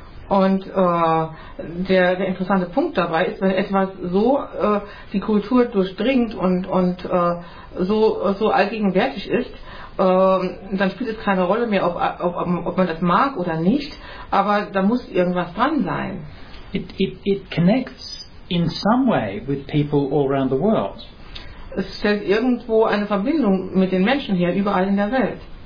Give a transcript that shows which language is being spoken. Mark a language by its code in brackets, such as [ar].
[de] Und der interessante Punkt dabei ist, wenn etwas so die Kultur durchdringt und so allgegenwärtig ist, dann spielt es keine Rolle mehr, ob man das mag oder nicht, aber da muss irgendwas dran sein. [en] It connects in some way with people all around the world. [de] Es stellt irgendwo eine Verbindung mit den Menschen her, überall in der Welt.